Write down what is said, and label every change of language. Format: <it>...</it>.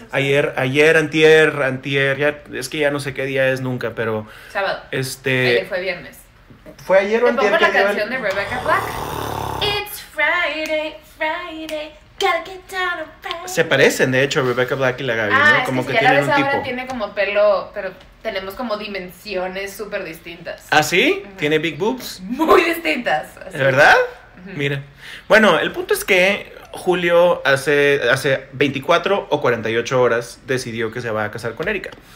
<es>ayer, antier, ya, es que ya no sé qué día es nunca, pero sábado. Fue viernes. Fue ayer o ¿te antier pongo la canción de Rebecca Black?</es> <en>It's Friday, gotta get down on Friday.</en> <es>Se parecen, de hecho, Rebecca Black y la Gaby, ¿no? Es como que ya tienen la ves un tipo. Ahora tiene como pelo, pero tenemos como dimensiones súper distintas. ¿Ah, sí? ¿Tiene</es> <en>big boobs?</en> <es>Muy distintas. ¿De verdad? Mira, bueno, el punto es que Julio hace 24 o 48 horas decidió que se va a casar con Erika.</es>